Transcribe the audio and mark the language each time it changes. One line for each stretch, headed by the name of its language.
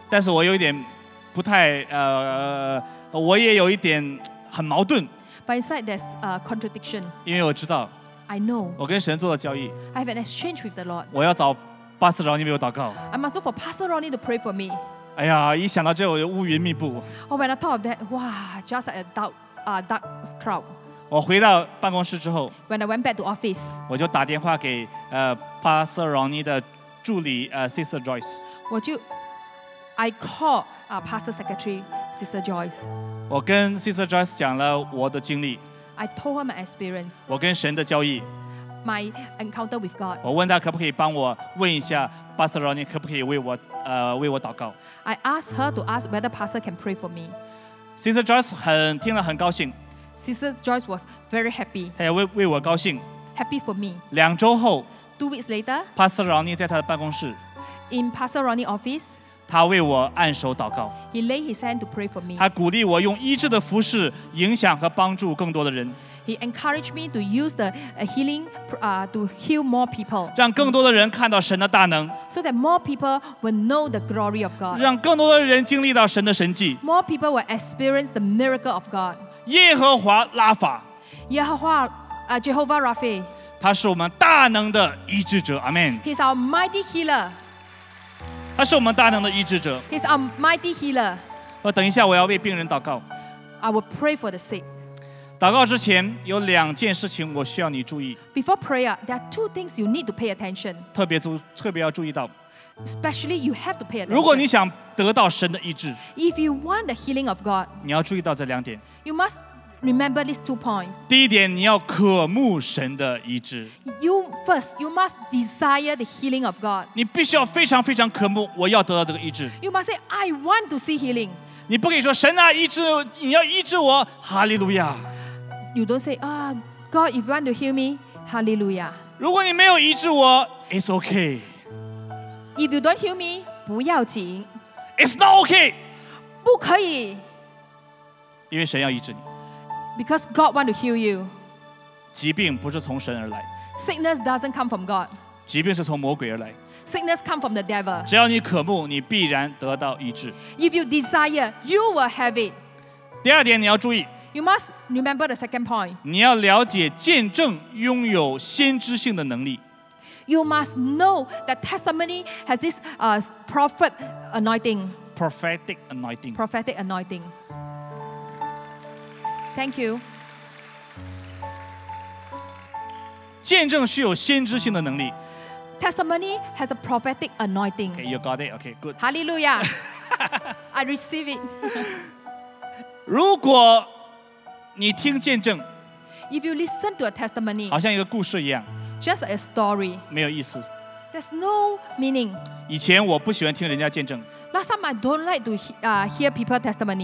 Chinese: 但是我有一点不太我也有一点很矛盾。
English: But inside there's a contradiction.
Chinese: 因为我知道。
English: I know.
Chinese: 我跟神做了交易。
English: I have an exchange with the Lord.
Chinese: 我要找 Pastor Ronnie 为我祷告。
English: I must look for Pastor Ronnie to pray for me.
Chinese: 哎呀，一想到这我就乌云密布。
English: Oh, when I thought of that, wow, just like a dark cloud.
Chinese: 我回到办公室之后
English: ，When I went back to office,
Chinese: 我就打电话给Pastor Ronnie 的助理Sister Joyce.
English: I called Pastor Secretary Sister Joyce.
Chinese: 我跟 Sister Joyce 讲了我的经历。
English: I told her my experience.
Chinese: 我跟神的交易。
English: My encounter with God.
Chinese: 我问他可不可以帮我问一下 Pastor Ronnie 可不可以为我。为我祷告。
English: I asked her to ask whether pastor can pray for me.
Chinese: Sister Joyce 听了很高兴。
English: Sister Joyce was very happy.
Chinese: 她也为我高兴。
English: Happy for me.
Chinese: 两周后
English: ，Two weeks later,
Chinese: Pastor Ronnie 在他的办公室。
English: In Pastor Ronnie's office,
Chinese: 他为我按手祷告。
English: He laid his hand to pray for me.
Chinese: 他鼓励我用医治的服事影响和帮助更多的人。
English: He encouraged me to use the healing to heal more people.
Chinese: 让更多的人看到神的大能。
English: So that more people will know the glory of God.
Chinese: 让更多的人经历到神的神迹。
English: More people will experience the miracle of God.
Chinese: 耶和华拉法。
English: Jehovah Rapha.
Chinese: 他是我们大能的医治者。
English: Amen. He's our mighty healer.
Chinese: 他是我们大能的医治者。
English: He's our mighty healer.
Chinese: 我等一下我要为病人祷告。
English: I will pray for the sick.
Chinese: 祷告之前有两件事情我需要你注意。
English: Before prayer, there are two things you need to pay attention.
Chinese: 特别要注意到。
English: Especially, you have to pay attention.
Chinese: 如果你想得到神的医治
English: ，If you want the healing of God,
Chinese: 你要注意到这两点。
English: You must Remember these two points.
Chinese: 第一点，你要渴慕神的医治。
English: You must desire the healing of God.
Chinese: 你必须要非常非常渴慕，我要得到这个医治。
English: You must say, I want to see healing.
Chinese: 你不可以说神啊，医治，你要医治我，哈利路亚。
English: You don't say, Ah,、oh, God, if you want to heal me, hallelujah.
Chinese: 如果你没有医治我 ，
English: it's okay. If you don't heal me,
Chinese: 不要紧。
English: It's not okay.
Chinese: 不可以。因为神要医治你。
English: Because God want to heal you.
Chinese: 疾病不是从神而来。
English: Sickness doesn't come from God.
Chinese: 疾病是从魔鬼而来。
English: Sickness come from the devil.
Chinese: 只要你渴慕，你必然得到医治。
English: If you desire, you will have it.
Chinese: 第二点你要注意。
English: You must remember the second point.
Chinese: 你要了解见证拥有先知性的能力。
English: You must know that testimony has this prophet anointing. Prophetic anointing. Prophetic anointing. Thank you.
Chinese: 见证是有先知性的能力。
English: Testimony has a prophetic anointing. Okay, you got it. Okay, good. Hallelujah. I receive it.
Chinese: 如果你听见证
English: ，If you listen to a testimony，
Chinese: 好像一个故事一样
English: ，Just a story，
Chinese: 没有意思
English: ，There's no meaning。
Chinese: 以前我不喜欢听人家见证
English: ，Last time I don't like to hear people testimony。